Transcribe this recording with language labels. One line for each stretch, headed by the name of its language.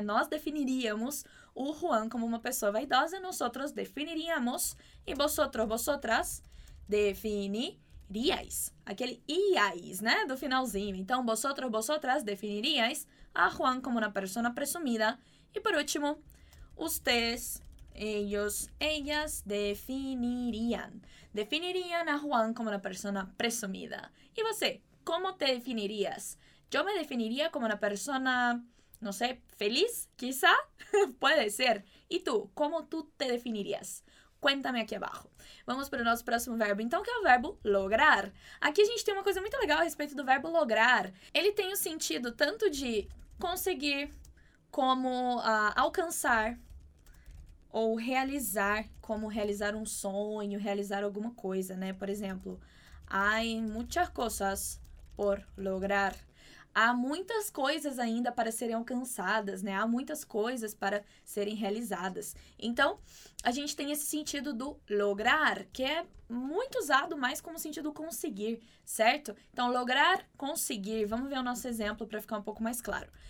Portuguese: Nós definiríamos o Juan como uma pessoa vaidosa,
Spanish: nosotros definiríamos,
Portuguese: e vosotros, vosotras definiríais. Aquele iais, né? Do finalzinho. Então,
Spanish: vosotros, vosotras definiríais a Juan como uma persona presumida.
Portuguese: E por último,
Spanish: ustedes, ellos, ellas definirían. Definirían a Juan como una persona presumida. ¿Y você? ¿Cómo te definirías? Yo me definiría como una persona, no sé, feliz, quizá. Puede ser. ¿Y tú? ¿Cómo tú te definirías? Cuéntame aquí abajo.
Portuguese: Vamos para o nosso próximo verbo, então, que é o verbo lograr. Aqui a gente tem uma coisa muito legal a respeito do verbo lograr. Ele tem o sentido tanto de conseguir como alcançar, ou realizar, como realizar um sonho, realizar alguma coisa, né?
Spanish: Por exemplo, hay muchas cosas por lograr.
Portuguese: Há muitas coisas ainda para serem alcançadas, né? Há muitas coisas para serem realizadas. Então, a gente tem esse sentido do lograr, que é muito usado mais como sentido conseguir, certo? Então, lograr, conseguir. Vamos ver o nosso exemplo para ficar um pouco mais claro.